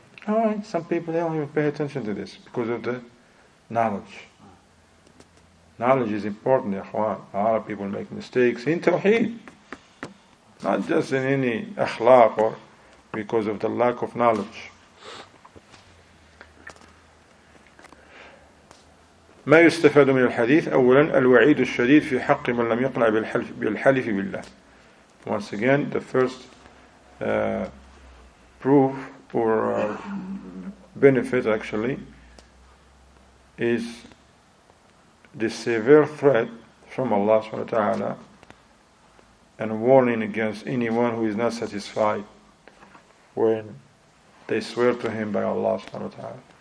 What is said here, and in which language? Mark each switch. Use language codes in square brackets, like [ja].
[en] All right, some people, they don't even pay attention to this because of the knowledge. Knowledge is important, ikhwan. A lot of people make mistakes in Tawheed, not just in any akhlaq or because of the lack of knowledge. [ar] ما يستفاد من الحديث أولا الوعيد الشديد في حق من لم يقنع بالحلف بالله. [en] Once again, the first proof or benefit actually is the severe threat from Allah subhanahu wa ta'ala and warning against anyone who is not satisfied when they swear to him by Allah subhanahu wa ta'ala.